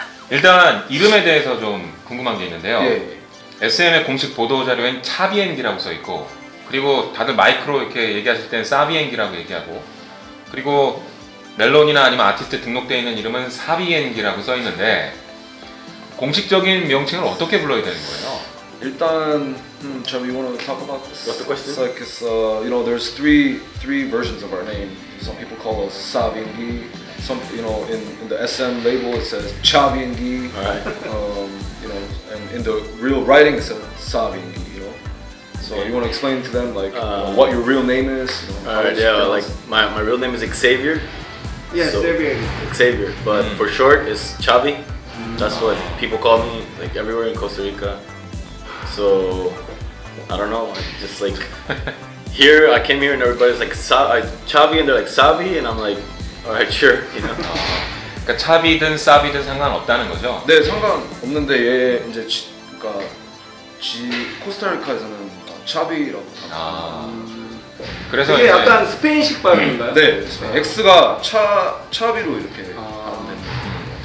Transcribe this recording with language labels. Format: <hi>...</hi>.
<ko>일단 이름에 대해서 좀 궁금한 게 있는데요. 예. SM의 공식 보도 자료엔 차비앤기라고 써 있고. 그리고 다들 마이크로 이렇게 얘기하실 때는 사비앤기라고 얘기하고 그리고 멜론이나 아니면 아티스트 등록되어 있는 이름은 사비앤기라고 써 있는데 공식적인 명칭을 어떻게 불러야 되는 거예요?</ko> <en>일단 so we want to talk about this. What's the question? It's like it's you know there's three versions of our name. Some people call us Saviengi. Some you know in the SM label it says Chaviengi. All right. You know and in the real writing it says Saviengi. So you want to explain to them like what your real name is? Alright, yeah, like my real name is Xavier. Yeah, so, Xavier. Xavier, but for short it's Chavi. That's what people call me like everywhere in Costa Rica. So I don't know, I just like here I came here and everybody's like Chavi and they're like Savi and I'm like alright, sure, you know.</en> <ko>그러니까 Chavi든 Savi든 상관없다는 거죠? 네, 상관없는데 얘 이제 그러니까 코스타리카에서는 차비라고. 아. 그래서 이게 약간 스페인식 발음인가요? 네. 아. X가 차비로 이렇게 발음된 아.</ko>